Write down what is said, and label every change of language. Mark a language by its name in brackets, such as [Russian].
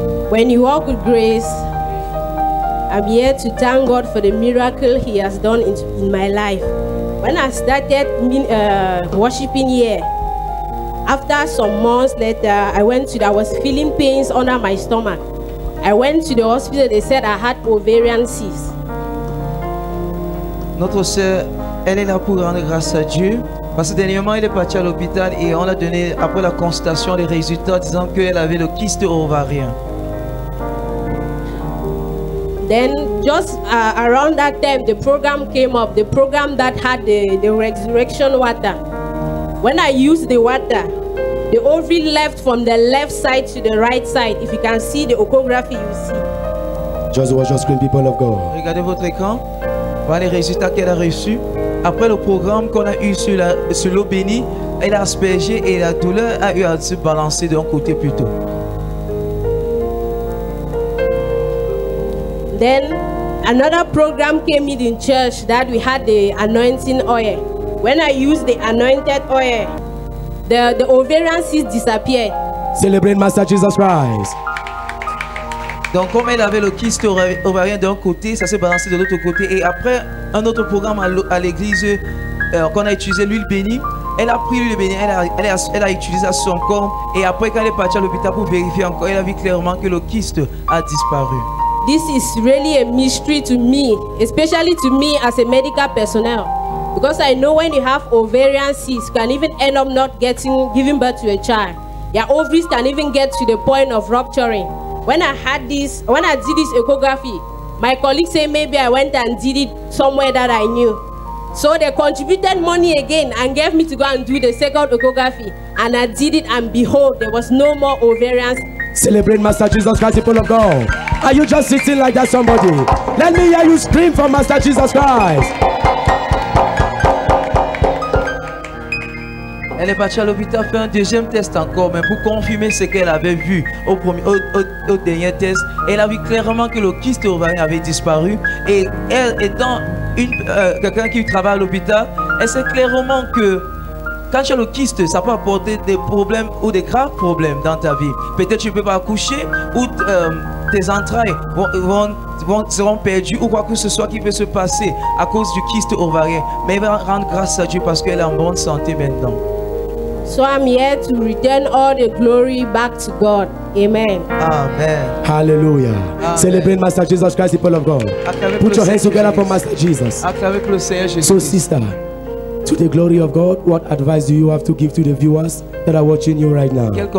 [English] When you walk with grace, I'm here to thank God for the miracle he has done in my life. When I started worshiping here, after some months later, I was feeling pains under my stomach. I went to the hospital, they said I had ovarian cysts. [French] Notre sœur, elle est là pour rendre grâce à Dieu. Parce que dernièrement, elle est partie à l'hôpital et on a donné, après la constatation, les résultats disant qu'elle avait le kyste ovarien. [English] Then, just around that time, the program came up, the program that had the resurrection water. When I used the water, the ovary left from the left side to the right side. If you can see the echography, you see. Just watch your screen, people of God. [French] Regardez votre écran. Voilà les résultats qu'elle a reçus. Après le programme qu'on a eu sur l'eau bénie, elle a aspergé et la douleur a eu à se balancer d'un côté plutôt. [English] Then another program came in church that we had the anointing oil. When I used the anointed oil, the ovarian cyst disappeared. Celebrate Master Jesus Christ. [French] Donc comme elle avait le kyste ovarien d'un côté, ça s'est balancé de l'autre côté. Et après un autre programme à l'église qu'on a utilisé l'huile bénie, elle a pris l'huile bénie, elle a utilisé à son corps. Et après quand elle est partie à l'hôpital pour vérifier encore, elle a vu clairement que le kyste a disparu. [English] This is really a mystery to me, especially to me as a medical personnel. Because I know when you have ovarian cysts, you can even end up not giving birth to a child. Your ovaries can even get to the point of rupturing. When I did this echography, my colleague said maybe I went and did it somewhere that I knew. So they contributed money again and gave me to go and do the second echography. And I did it and behold, there was no more ovarian. Celebrate Master Jesus Christ, people of God. Are you just sitting like that, somebody? Let me hear you scream for Master Jesus Christ. [French] Elle est partie à l'hôpital faire un deuxième test encore, mais pour confirmer ce qu'elle avait vu au dernier test, elle a vu clairement que le kyste ovarien avait disparu. Et elle, étant quelqu'un qui travaille à l'hôpital, elle sait clairement que quand tu as le kyste, ça peut apporter des problèmes ou des graves problèmes dans ta vie. Peut-être que tu ne peux pas accoucher ou tes entrailles seront perdues ou quoi que ce soit qui peut se passer à cause du kyste ovarien. Mais elle va rendre grâce à Dieu parce qu'elle est en bonne santé maintenant. [English] So I'm here to return all the glory back to God. Amen. Amen. Hallelujah. Amen. Celebrate Master Jesus Christ, people of God. Put your hands together for Master Jesus. So sister, to the glory of God, what advice do you have to give to the viewers that are watching you right now?